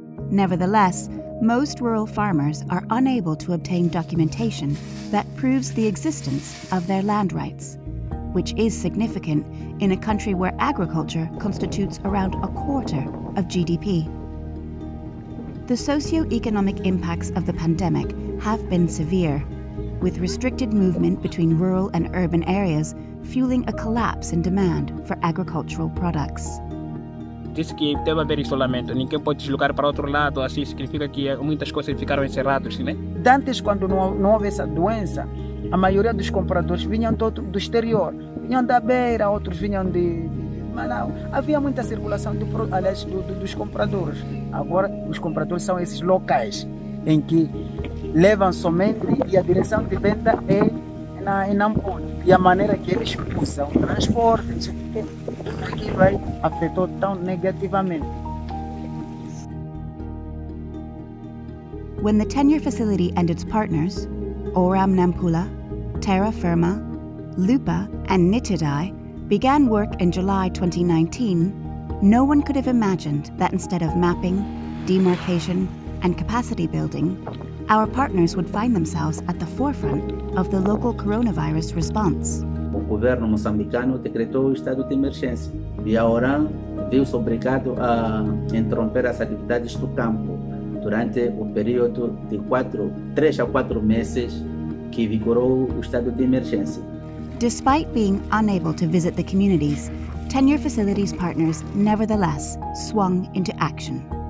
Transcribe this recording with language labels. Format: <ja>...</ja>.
<en>Nevertheless, most rural farmers are unable to obtain documentation that proves the existence of their land rights, which is significant in a country where agriculture constitutes around a quarter of GDP. The socio-economic impacts of the pandemic have been severe, with restricted movement between rural and urban areas fueling a collapse in demand for agricultural products.</en> <pt>Diz que teve haver isolamento, ninguém pode deslocar para outro lado, assim significa que muitas coisas ficaram encerradas, né? Antes, quando não houve essa doença, a maioria dos compradores vinham do exterior, vinham da beira, outros vinham de Manaus. Havia muita circulação dos compradores. Agora, os compradores são esses locais em que levam somente e a direção de venda é em Nampula. E a maneira que eles usam o transporte, tudo aquilo aí afetou tão negativamente.</pt> <en>When the tenure facility and its partners, Oram Nampula, Terra Firma, Lupa, and Nitidai began work in July 2019, no one could have imagined that instead of mapping, demarcation, and capacity building, our partners would find themselves at the forefront of the local coronavirus response.</en> <pt>O governo moçambicano decretou o estado de emergência e a Oram viu-se obrigado a interromper as atividades do campo durante o período de três a quatro meses que vigorou o estado de emergência.</pt> <en>Despite being unable to visit the communities, tenure facilities partners nevertheless swung into action.</en>